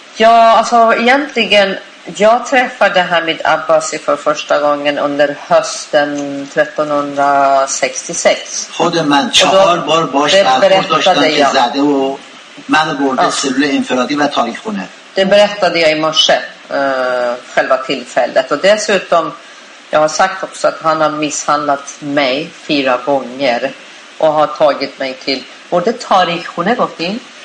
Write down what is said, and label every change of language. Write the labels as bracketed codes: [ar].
[fa] یا اصلا [sv] egentligen jag träffade Hamid Abbasi för första gången under hösten 1366 [fa] خود من چهار بار باش برخورد داشتم که زده و من برده سلول انفرادی و تاریخ خونه [sv] det berättade jag i morse själva tillfället och dessutom jag har sagt också att han har misshandlat mig 4 gånger och har tagit mig till både tarikh och negotin.